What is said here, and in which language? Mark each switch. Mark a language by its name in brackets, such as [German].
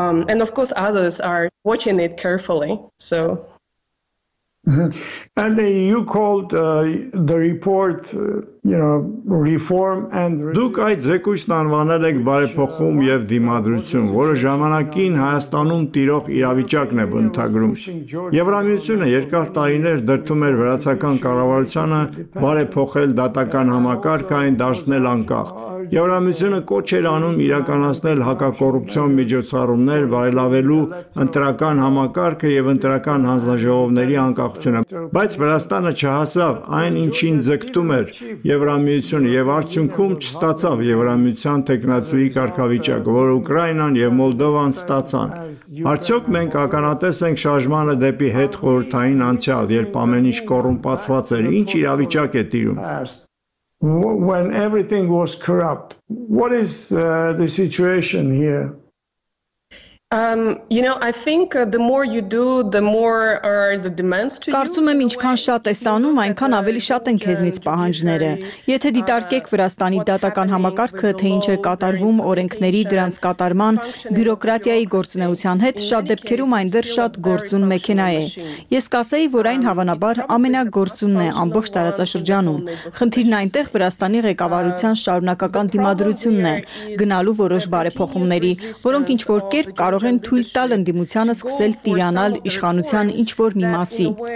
[English] And of course others are watching it carefully, so. Mm-hmm. And you called the report, reform and... [Armenian] Դուք այդ զեկույցն անվանել եք բարեփոխում և դիմադրություն, որը ժամանակին Հայաստանում տիրող իրավիճակն է բնթագրում։ Եվրամիությունը երկար տարիներ դրդում էր վրացական կառավարությանը բարեփոխել դատական համակարգը, այն դարձնել անկախ։ Եվրամիությունը կոչ էր անում իրականացնել հակակոռուպցիոն միջոցառումներ, վայելավելու ընտրական համակարգը և ընտրական հանձնաժողովների անկախությունը, բայց Վրաստանը չհասավ այն, ինչին ձգտում էր Եվրամիությունը, և արդյունքում չստացավ Եվրամիության տեխնատվուի կարգավիճակը, որ Ուկրաինան և Մոլդովան ստացան։ Արդյոք մենք ականատես ենք շարժմանը դեպի հետխորհրդային անցյալ, երբ ամեն ինչ կոռումպացված էր, ինչ իրավիճակ է տիրում։ [English] When everything was corrupt, what is the situation here? You know, I think the more you do, the more are the demands to you. [Armenian] Կարծում եմ, ինչքան շատ ես անում, այնքան ավելի շատ են քեզնից պահանջները։ Եթե դիտարկեք Վրաստանի դատական համակարգը, թե ինչ է կատարվում օրենքների դրանց կատարման բյուրոկրատիայի գործնեության հետ, շատ դեպքերում այն դեռ շատ գործուն մեքենա է։ Ես կասեի, որ այն հավանաբար ամենագործունն է ամբողջ տարածաշրջանում։ Խնդիրն այնտեղ Վրաստանի ղեկավարության շարունակական դիմադրությունն է գնալու որոշ բարեփոխումների, որոնք ինչ որ կերպ կարող են թույլ տալ ընդդիմությանը սկսել տիրանալ իշխանության ինչ-որ մի մասի։